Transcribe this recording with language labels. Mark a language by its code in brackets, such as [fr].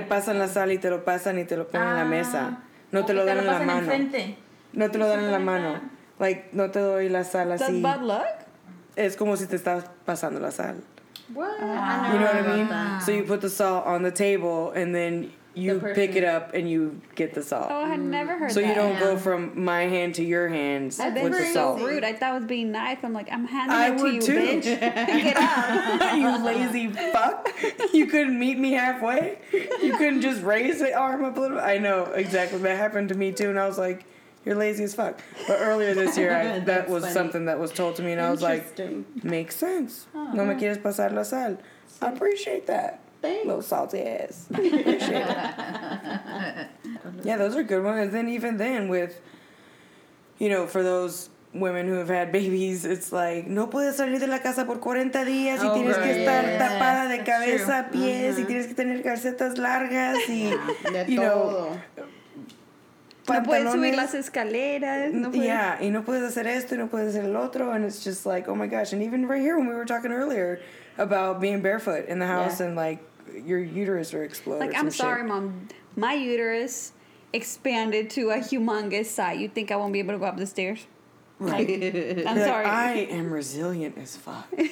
[es] te pasan la sal y te lo pasan y te lo ponen en la mesa. No te lo dan en la mano. No te lo dan en la mano. Like, no te doy la sal así. [en] That's bad luck? [es] Es como si te estás pasando la sal. [en] What? You know what I mean? So you put the salt on the table and then you pick it up and you get the salt. Oh, I never heard that. So you don't go from my hand to your hands with the salt. That's rude. I thought it was being nice. I'm like, I'm handing it to you, too. Bitch. Pick it up. You lazy fuck. You couldn't meet me halfway? You couldn't just raise the arm up a little bit? I know, exactly. That happened to me, too. And I was like, you're lazy as fuck. But earlier this year, that was something that was told to me. And I was like, makes sense. [es] Oh, no me quieres pasar la sal. [en] I appreciate that. Thanks. Little salty ass. Appreciate it. Yeah, those are good ones. And then even then with, you know, for those women who have had babies, it's like, [es] no puedes salir de la casa por 40 días y tienes que estar tapada de cabeza a pies y tienes que tener calcetas largas y, [en] you know, [es] pantalones. No puedes subir las escaleras. Yeah, y no puedes hacer esto y no puedes hacer el otro. [en] And it's just like, oh my gosh. And even right here when we were talking earlier, about being barefoot in the house and, like, your uterus are exploding. Like, I'm sorry, Mom. My uterus expanded to a humongous size. You think I won't be able to go up the stairs? Right. I'm sorry. I am resilient as fuck.